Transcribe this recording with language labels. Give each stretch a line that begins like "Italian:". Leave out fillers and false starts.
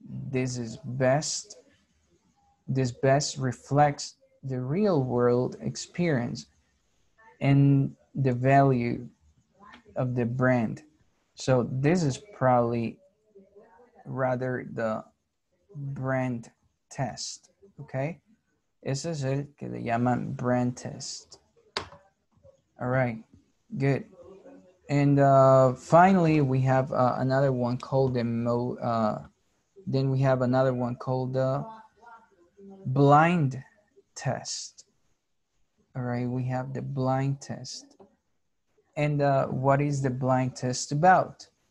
English: This best reflects the real world experience and the value of the brand. So this is probably rather the brand test, okay?
Spanish: Ese es el que le llaman brand test.
English: All right, good. And finally, we have another one called the blind test. All right, we have the blind test. And what is the blind test about?